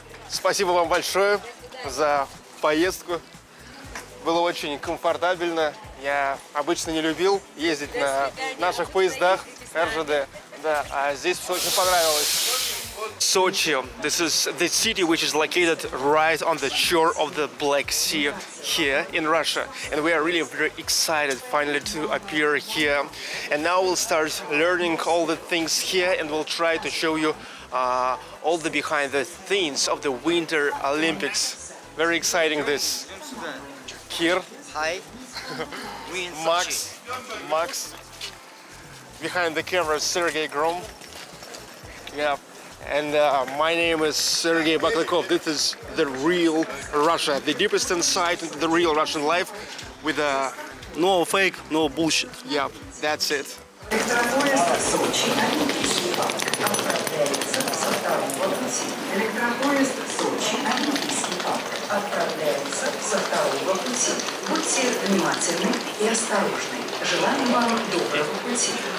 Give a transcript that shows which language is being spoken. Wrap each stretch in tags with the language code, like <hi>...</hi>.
<ru>Спасибо вам большое за поездку. Было очень комфортабельно. Я обычно не любил ездить на наших поездах РЖД, да, а здесь очень понравилось.</ru> <en>Sochi. This is the city which is located right on the shore of the Black Sea. Here in Russia, and we are really very excited finally to appear here, and now we'll start learning all the things here, and we'll try to show you all the behind the scenes of the Winter Olympics. Very exciting this. Kir. Hi. Max. Behind the camera, Sergei Grom. Yeah. And my name is Sergei Baklakov. This is the real Russia, the deepest insight into the real Russian life with a... No fake, no bullshit. Yep, that's it.</en> <ru>Электропоезд Сочи-Олимпийский парк отправляется со второго пути. Будьте внимательны и осторожны. Желаем вам доброго пути.</ru>